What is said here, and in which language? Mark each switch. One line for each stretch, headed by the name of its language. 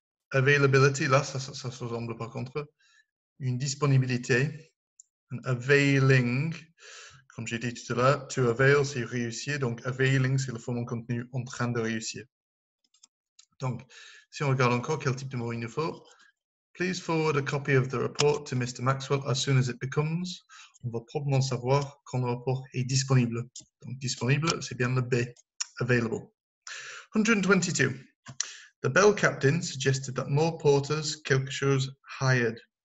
French: Availability, là, ça se ressemble par contre. Une disponibilité. And availing, comme j'ai dit tout à l'heure, to avail, c'est réussir. Donc, availing, c'est le fond en contenu en train de réussir. Donc, si on regarde encore quel type de mot il nous faut.
English: Please forward a copy of the report to Mr. Maxwell as soon as it becomes.
French: On va probablement savoir quand le rapport est disponible. Donc, disponible, c'est bien le B, available. 122.
English: The bell captain suggested that more porters,
French: quelque chose,
English: hired.